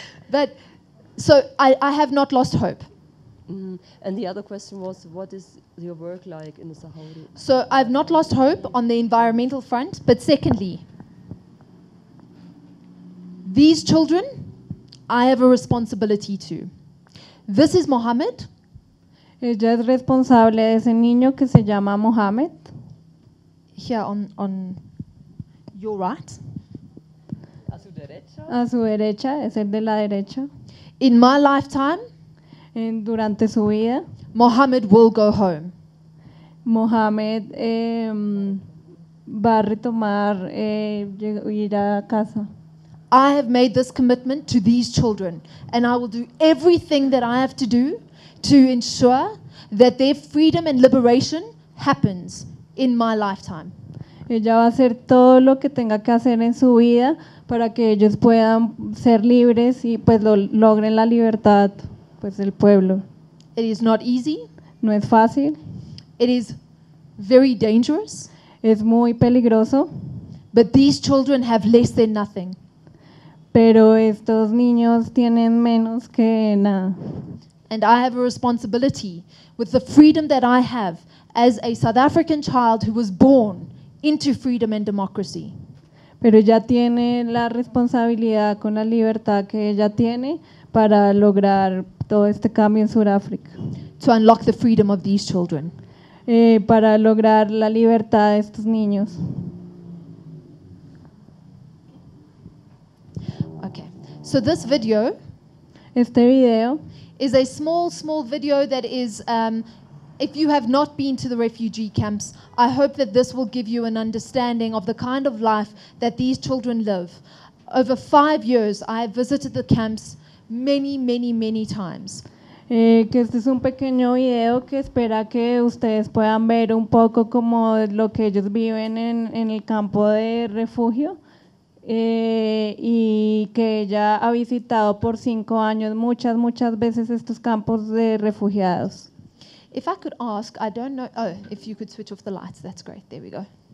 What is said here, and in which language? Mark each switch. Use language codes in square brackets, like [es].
[en] But, so I have not lost hope. And the other question was, what is your work like in the Sahara? So I've not lost hope on the environmental front, but secondly, these children, I have a responsibility to. This is Mohammed. [es] Ella es responsable de ese niño que se llama Mohammed. [en] Here on your right. [es] A su derecha. A su derecha, es el de la derecha. [en] In my lifetime, [es] durante su vida, [en] Mohammed will go home. [es] Mohammed va a retomar ir a casa. [en] I have made this commitment to these children, and I will do everything that I have to do to ensure that their freedom and liberation happens in my lifetime. [es] Ella va a hacer todo lo que tenga que hacer en su vida para que ellos puedan ser libres y pues logren la libertad, pues el pueblo. [en] It is not easy. [es] No es fácil. [en] It is very dangerous. [es] Es muy peligroso. [en] But these children have less than nothing. [es] Pero estos niños tienen menos que nada. [en] And I have a responsibility with the freedom that I have as a South African child who was born into freedom and democracy. [es] Pero ella tiene la responsabilidad con la libertad que ella tiene para lograr todo este cambio en Sudáfrica. [en] To unlock the freedom of these children. [es] Para lograr la libertad de estos niños. [en] Okay. So this video, [es] este video [en] is a small video that is, if you have not been to the refugee camps, I hope that this will give you an understanding of the kind of life that these children live. Over 5 years, I have visited the camps many, many, many times. [es] Que este es un pequeño video que espera que ustedes puedan ver un poco como lo que ellos viven en el campo de refugio, y que ella ha visitado por 5 años muchas, muchas veces estos campos de refugiados. [en] If I could ask, I don't know, oh, if you could switch off the lights, that's great, there we go.